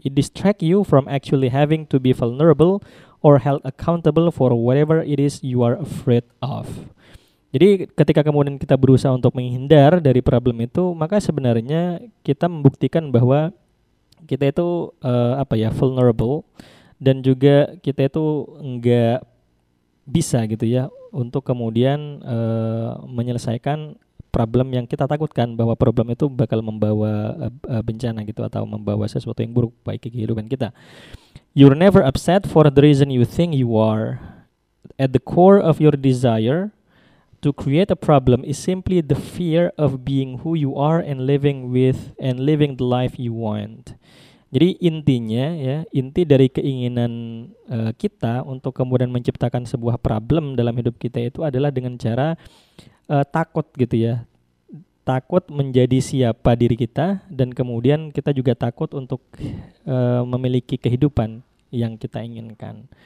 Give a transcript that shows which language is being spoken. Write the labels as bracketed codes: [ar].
[en] It distracts you from actually having to be vulnerable or held accountable for whatever it is you are afraid of. [id] Jadi ketika kemudian kita berusaha untuk menghindar dari problem itu, maka sebenarnya kita membuktikan bahwa kita itu vulnerable dan juga kita itu enggak bisa gitu ya untuk kemudian menyelesaikan problem yang kita takutkan, bahwa problem itu bakal membawa bencana gitu atau membawa sesuatu yang buruk baik kehidupan kita. [en] You're never upset for the reason you think you are. At the core of your desire to create a problem is simply the fear of being who you are and living the life you want. [id] Jadi intinya ya, inti dari keinginan kita untuk kemudian menciptakan sebuah problem dalam hidup kita itu adalah dengan cara takut gitu ya. Takut menjadi siapa diri kita dan kemudian kita juga takut untuk memiliki kehidupan yang kita inginkan.